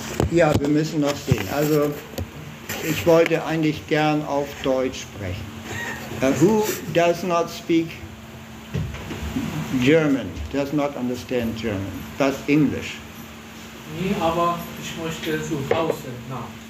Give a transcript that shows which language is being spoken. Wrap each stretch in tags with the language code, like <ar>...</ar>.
<de>Ja, wir müssen noch sehen. Also, ich wollte eigentlich gern auf Deutsch sprechen.</de> <en>Who does not speak German, does not understand German, but English?</en> <de>Nee, aber ich möchte zu Hause nach.</de>